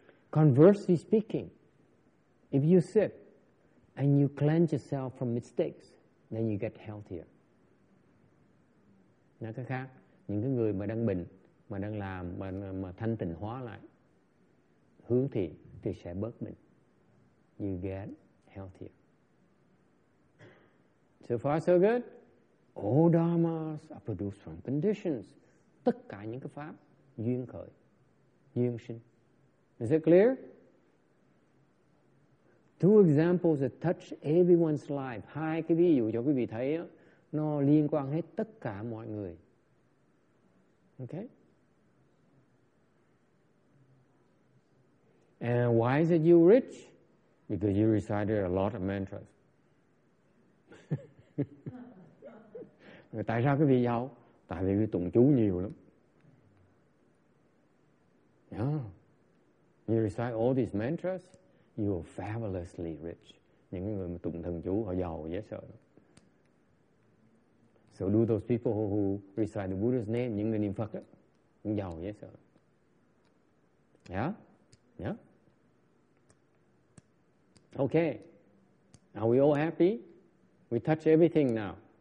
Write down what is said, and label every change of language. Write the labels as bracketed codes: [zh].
[en] Conversely speaking, if you're sick and you cleanse yourself from mistakes, then you get healthier. [vi] Nói cách khác, những cái người mà đang bệnh, mà đang làm, mà thanh tịnh hóa lại, hướng thiện thì sẽ bớt mình. [en] You get healthier. So far so good. All dharmas are produced from conditions. [vi] Tất cả những cái pháp duyên khởi, duyên sinh. [en] Is it clear? Two examples that touch everyone's life. [vi] Hai cái ví dụ cho quý vị thấy nó liên quan hết tất cả mọi người. [en] Okay? And why is it you rich? Because you recited a lot of mantras. [vi] Tại sao quý vị giàu? Tại vì quý vị tụng chú nhiều lắm. [en] Yeah. You recite all these mantras, you are fabulously rich. [vi] Những người mà tụng thần chú, họ giàu, dễ sợ. [en] So do those people who recite the Buddha's name, [vi] những người niệm Phật, ấy, cũng giàu, dễ sợ. [en] Yeah? Yeah? Okay, are we all happy? We touch everything now.